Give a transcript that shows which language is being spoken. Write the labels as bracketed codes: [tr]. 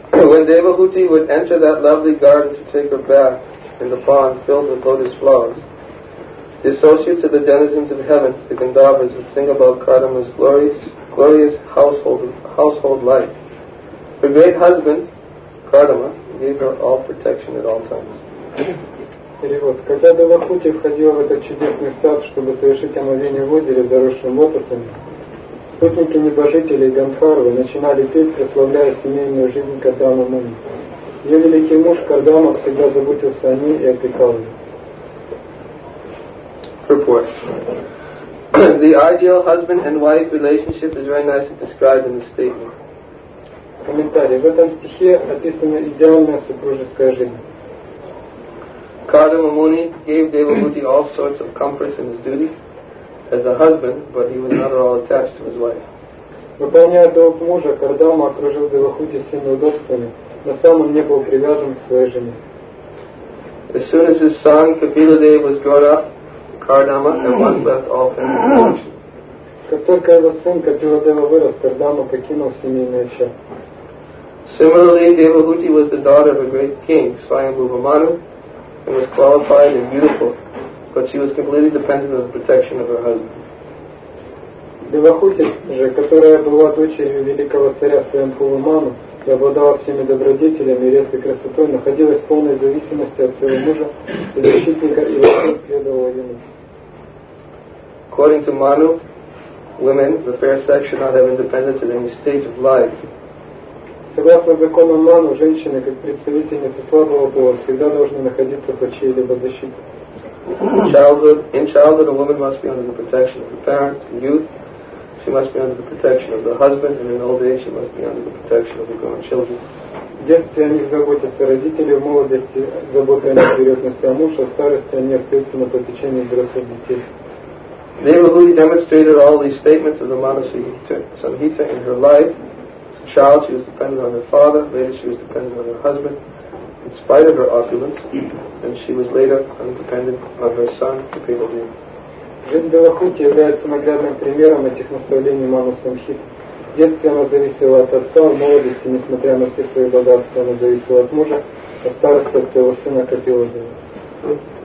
[en] When Devahuti would enter that lovely garden to take her bath in the pond filled with lotus flowers, the associates of the denizens of heaven, the Gandharvas, would sing about Kadama's glorious household life. Her great husband, Kadama, gave her all protection at all times. [ru] Перевод. Когда Девахути входила в этот чудесный сад, чтобы совершить омовение в озере, заросшем лотосами, спутники небожителей Гандхарвы начинали петь, прославляя семейную жизнь Кардама Муни. Ее великий муж Кардама всегда заботился о ней и опекал ее. [en] Purport. The ideal husband and wife relationship is very nicely described in the statement. [ru] Комментарий. В этом стихе описана идеальная супружеская жизнь. [en] Kadama Muni gave Devahuti all sorts of comforts in his duty as a husband, but he was not at all attached to his wife. [ru] Выполняя долг мужа, Кардама окружил Девахути всеми удобствами, но сам он не был привязан к своей жене. [en] As soon as his son Kapiladeva was brought up, Kardama at once left all family fortune. [ru] Как только его сын Капиладева вырос, Кардама покинул семейное счастье. [en] Similarly, Devahuti was the daughter of a great king, Swayambhuva Manu. She was qualified and beautiful, but she was completely dependent on the protection of her husband. [ru] Девахути же, которая была дочерью великого царя Свайамбхува Ману и обладала всеми добродетелями и редкой красотой, находилась в полной зависимости от своего мужа и защитника, и следовала ему. [en] According to Manu, women of the fair sex should not have independence at any stage of life. [ru] Согласно закону Ману, женщины, как представительницы слабого пола, всегда должны находиться под чьей-либо защитой. [en] In childhood, a woman must be under the protection of the parents. In youth, she must be under the protection of the husband. And in old age, she must be under the protection of the grandchildren. [ru] В детстве о них заботятся родители, в молодости забота о них берет на себя муж, а в старости они остаются на попечении взрослых детей. [en] Devahuti demonстрated all these statements of the Manu Samhita in her life. Child, she was dependent on her father. Later, she was dependent on her husband. In spite of her opulence, and she was later dependent on her son, the people being. [ru] Жизнь Девахути является наглядным примером этих наставлений Ману Самхиты. В детстве она зависела от отца, в молодости, несмотря на все свои богатства, она зависела от мужа, а в старости от своего сына копила за него.